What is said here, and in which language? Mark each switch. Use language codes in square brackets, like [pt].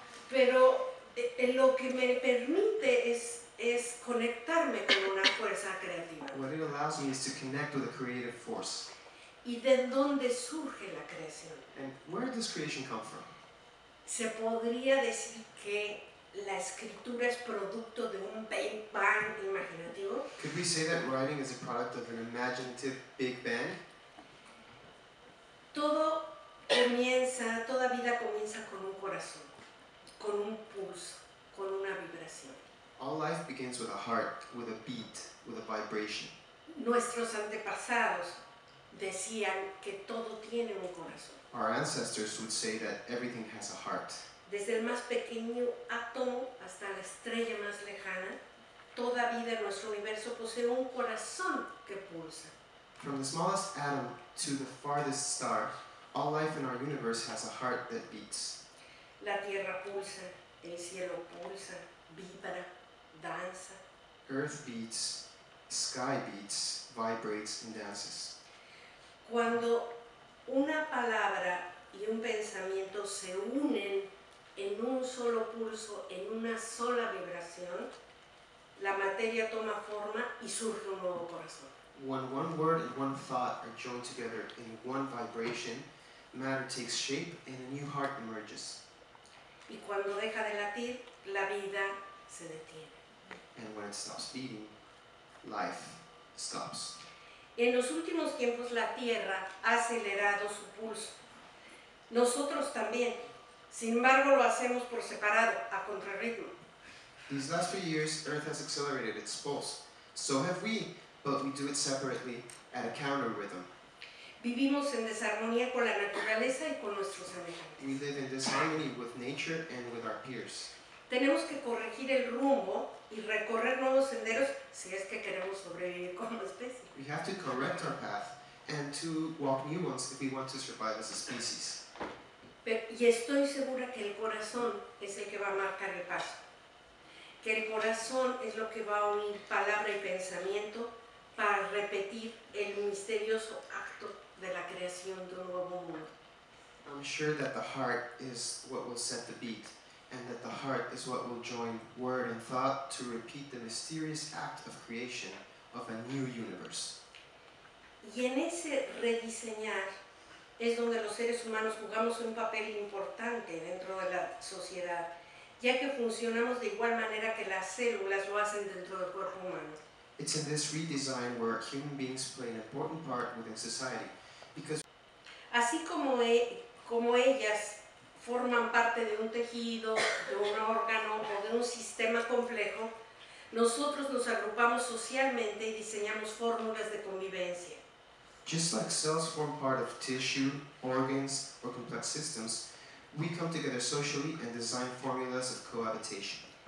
[es] Pero lo que me permite es conectarme con una fuerza creativa. [en] What it allows me is to connect with a creative force. [es] ¿Y de dónde surge la creación? [en] And where does creation come from? [es] Se podría decir que la escritura es producto de un Big Bang imaginativo. [en] Could we say that writing is a product of an imaginative Big Bang? [es] Todo comienza, toda vida comienza con un corazón, con un pulso, con una vibración. [en] All life begins with a heart, with a beat, with a vibration. [es] Nuestros antepasados decían que todo tiene un corazón. [en] Our ancestors would say that everything has a heart. [es] Desde el más pequeño átomo hasta la estrella más lejana, toda vida en nuestro universo posee un corazón que pulsa. [en] From the smallest atom to the farthest star, all life in our universe has a heart that beats. [es] La tierra pulsa, el cielo pulsa, vibra, danza. [en] Earth beats, sky beats, vibrates and dances. [es] Cuando una palabra y un pensamiento se unen en un solo pulso, en una sola vibración, la materia toma forma y surge un nuevo corazón. [en] When one word and one thought are joined together in one vibration, matter takes shape and a new heart emerges. [es] Y cuando deja de latir, la vida se detiene. [en] And when it stops beating, life stops. [es] En los últimos tiempos la Tierra ha acelerado su pulso. Nosotros también. Sin embargo, lo hacemos por separado, a contrarritmo. [en] These last few years, Earth has accelerated its pulse. So have we, but we do it separately, at a counter rhythm. [es] Vivimos en desarmonía con la naturaleza y con nuestros semejantes. [en] We live in disharmony with nature and with our peers. [es] Tenemos que corregir el rumbo y recorrer nuevos senderos si es que queremos sobrevivir como especie. [en] We have to correct our path and to walk new ones if we want to survive as a species. [es] Y estoy segura que el corazón es el que va a marcar el paso. Que el corazón es lo que va a unir palabra y pensamiento para repetir el misterioso acto de la creación de un nuevo mundo. [en] I'm sure that the heart is what will set the beat. And that the heart is what will join word and thought to repeat the mysterious act of creation of a new universe. [es] Y en ese rediseñar es donde los seres humanos jugamos un papel importante dentro de la sociedad, ya que funcionamos de igual manera que las células lo hacen dentro del cuerpo humano. [en] It's in this redesign where human beings play an important part within society, because [es] así como como ellas forman parte de un tejido, de un órgano o de un sistema complejo, nosotros nos agrupamos socialmente y diseñamos fórmulas de convivencia. [en] Just like cells form part of tissue, organs, or complex systems, we come together socially and design formulas of cohabitation.